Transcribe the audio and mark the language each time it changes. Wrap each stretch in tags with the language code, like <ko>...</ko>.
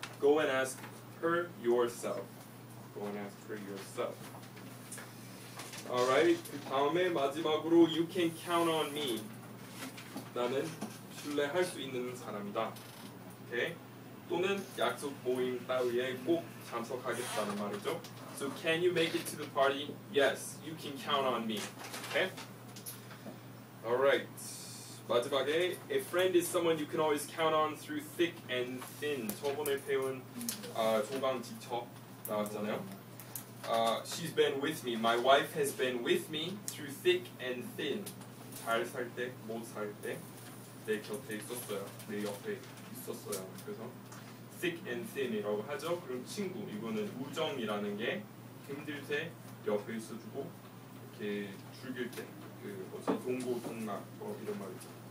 <en>Go and ask her yourself. Go and ask her yourself. Alright,</en> <ko>그 다음에 마지막으로</ko> <en>You can count on me.</en> <ko>나는 신뢰할 수 있는 사람이다.</ko> <en>Okay?</en> <ko>또는 약속 모임 따위에 꼭 참석하겠다는 말이죠.</ko> <en>So can you make it to the party? Yes, you can count on me. Okay? Alright,</en> <ko>마지막에</ko> <en>A friend is someone you can always count on through thick and thin.</en> <ko>저번에 배운 조강 직접 나왔잖아요.</ko> <en>She's been with me. My wife has been with me through thick and thin.</en> <ko>잘 살 때, 못 살 때 내 곁에 있었어요. 내 옆에 있었어요. 그래서 thick and thin이라고 하죠. 그럼 친구, 이거는 우정이라는 게 힘들 때 옆에 있어주고 이렇게 죽일 때 그 뭐지? 동고동락 뭐 이런 말이죠.</ko>